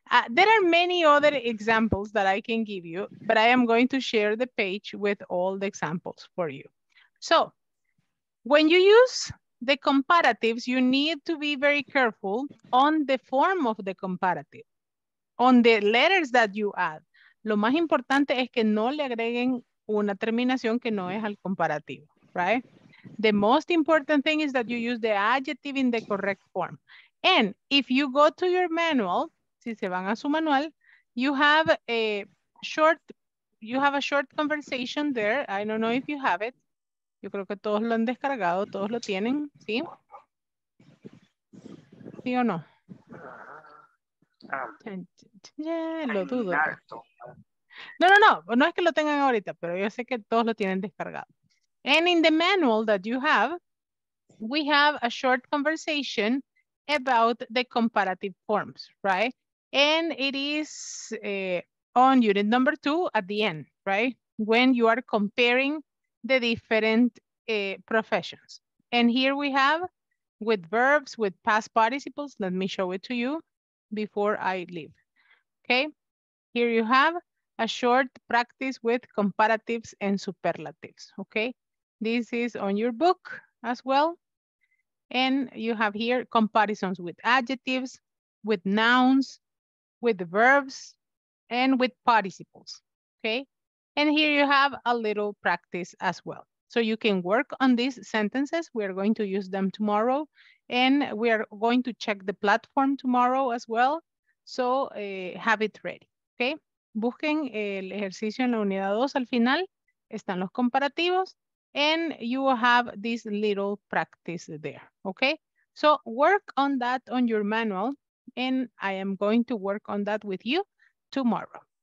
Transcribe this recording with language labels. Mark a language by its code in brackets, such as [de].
[en] There are many other examples that I can give you, but I am going to share the page with all the examples for you. So when you use the comparatives, you need to be very careful on the form of the comparative, on the letters that you add. [es] Lo más importante es que no le agreguen una terminación que no es al comparativo, right? [en] The most important thing is that you use the adjective in the correct form. And if you go to your manual, [es] si se van a su manual, [en] you have a short conversation there. I don't know if you have it. [es] Yo creo que todos lo han descargado, todos lo tienen, ¿sí? ¿Sí o no? [en] Yeah. [es] Lo dudo. No, no, no, no es que lo tengan ahorita, pero yo sé que todos lo tienen descargado. [en] And in the manual that you have, we have a short conversation about the comparative forms, right? And it is on unit number 2 at the end, right? When you are comparing the different professions. And here we have with verbs, with past participles. Let me show it to you before I leave. Okay, here you have a short practice with comparatives and superlatives. Okay, this is on your book as well. And you have here comparisons with adjectives, with nouns, with verbs, and with participles. Okay, and here you have a little practice as well. So you can work on these sentences. We are going to use them tomorrow. And we are going to check the platform tomorrow as well. So have it ready, okay? [es] Busquen el ejercicio en la unidad 2 al final. Están los comparativos. [en] And you will have this little practice there, okay? So work on that on your manual. And I am going to work on that with you tomorrow.